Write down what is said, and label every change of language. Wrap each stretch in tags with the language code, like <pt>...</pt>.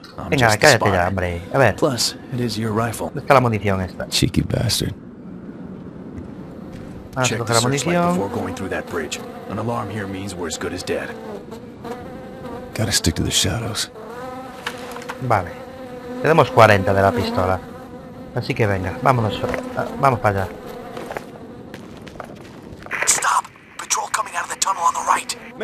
<es>Venga, cállate ya, hombre. A ver. ¿Dónde está la munición esta?</es> <en>Cheeky bastard.</en> <es>Vamos a coger la munición.</es> <en>Before going through that bridge. An alarm here means we're as good as dead. Gotta stick to the shadows.</en> <es>Vale. Tenemos 40 de la pistola. Así que venga, vámonos, vamos para allá.</es> <en>Stop! Patrol coming out of the tunnel on the right.</en>